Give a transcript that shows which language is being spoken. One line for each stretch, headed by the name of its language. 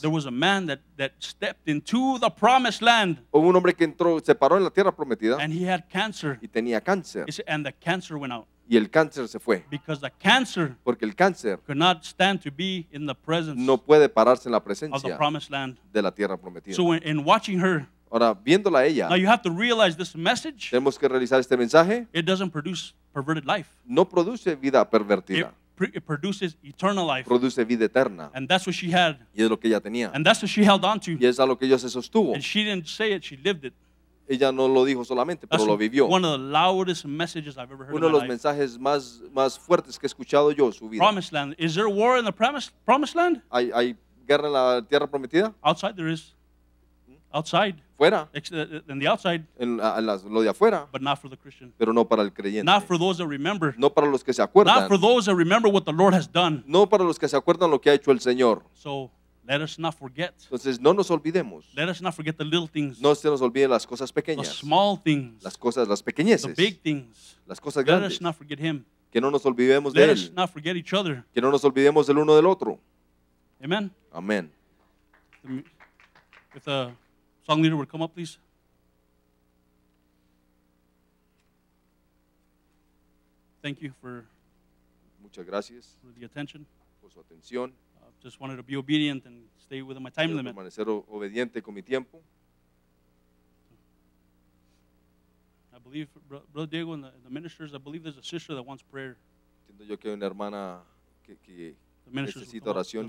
English: There was a man that stepped into the promised land.
Spanish: Hubo un hombre que entró, se paró en la tierra prometida.
English: And he had cancer.
Spanish: Y tenía cáncer.
English: And the cancer went out.
Spanish: Y el cáncer se fue.
English: Because the cancer.
Spanish: Porque el cáncer.
English: Could not stand to be in the presence.
Spanish: No puede pararse en la presencia.
English: Of the promised land.
Spanish: De la tierra prometida.
English: So in watching her.
Spanish: Ahora viéndola a ella.
English: Now you have to realize this message.
Spanish: Tenemos que realizar este mensaje.
English: It doesn't produce perverted life.
Spanish: No produce vida pervertida.
English: It produces eternal life.
Spanish: Produce vida eterna.
English: And that's what she had.
Spanish: Y es lo que ella tenía.
English: And that's what she held on to.
Spanish: Y es a lo que ella se sostuvo.
English: And she didn't say it, she lived it.
Spanish: Ella no lo dijo solamente,
English: that's
Spanish: pero lo vivió.
English: One of the loudest messages I've ever heard.
Spanish: Uno
English: in my
Spanish: de los
English: life.
Spanish: Mensajes más fuertes que he escuchado yo en su vida.
English: Promised land. Is there war in the promised land?
Spanish: ¿Hay guerra en la tierra prometida?
English: Outside there is. Outside.
Spanish: Fuera.
English: In the outside.
Spanish: Lo de afuera.
English: But not for the Christian.
Spanish: Pero no para el creyente.
English: Not for those that remember.
Spanish: No para los que se acuerdan.
English: Not for those that remember what the Lord has done.
Spanish: No para los que se acuerdan lo que ha hecho el Señor.
English: So let us not forget.
Spanish: Entonces no nos olvidemos.
English: Let us not forget the little things.
Spanish: No se nos olviden las cosas pequeñas.
English: The small things.
Spanish: Las cosas, las pequeñeces.
English: The big things.
Spanish: Las cosas grandes.
English: Let us not forget him.
Spanish: Que no nos olvidemos
English: let
Spanish: de él.
English: Let us not forget each other.
Spanish: Que no nos olvidemos el uno del otro.
English: Amen.
Spanish: Amen.
English: With a song leader would come up, please. Thank you for
Spanish: Muchas gracias
English: for the attention.
Spanish: Por su atención.
English: Just wanted to be obedient and stay within my time limit.
Spanish: Permanecer obediente con mi tiempo.
English: I believe, Brother Diego and the ministers, I believe there's a sister that wants prayer.
Spanish: Entiendo yo que hay una hermana que necesita oración.